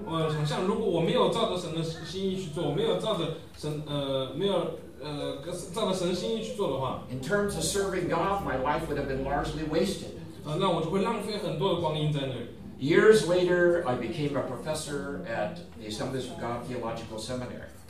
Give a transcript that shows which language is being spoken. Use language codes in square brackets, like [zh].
[zh] 想象如果我没有照着神的心意去做，我没有照着神没有。照着神心意去做的话， [en] In terms of serving God, my life would have been largely wasted. [zh] 那我就会浪费很多的光阴在那里。 [en] Years later, I became a professor at the Assemblies of God Theological Seminary.